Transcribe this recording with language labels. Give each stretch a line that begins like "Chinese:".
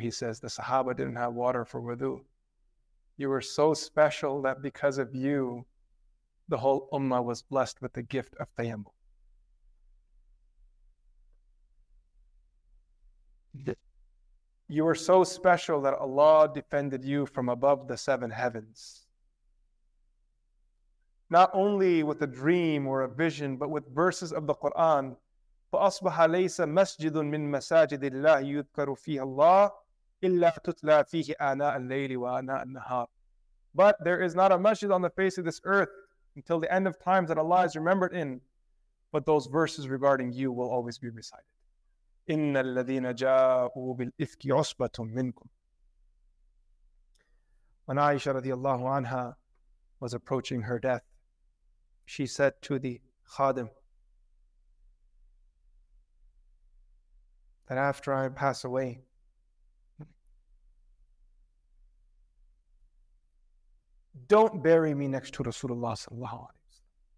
English: He says, the Sahaba didn't have water for wudu. You were so special that because of you, the whole Ummah was blessed with the gift of tayammum. You were so special that Allah defended you from above the seven heavens. Not only with a dream or a vision, but with verses of the Quran,
Arabic: فَأَصْبَحَ لَيْسَ مَسْجِدٌ مِّن مَسَاجِدِ اللَّهِ يُذْكَرُ فِيهَ اللَّهِ إِلَّا تُتْلَى فِيهِ آنَاءَ اللَّيْلِ وَآنَاءَ النَّهَارِ.
English: But there is not a masjid on the face of this earth until the end of times that Allah is remembered in, but those verses regarding you will always be recited.
Arabic: إِنَّ الَّذِينَ جَاءُوا بِالْإِفْكِ عُصْبَةٌ مِّنْكُمْ.
English: When Aisha radiallahu anha was approaching her death, she said to the khadim, that after I pass away, don't bury me next to Rasulullah sallallahu alaihi wasallam.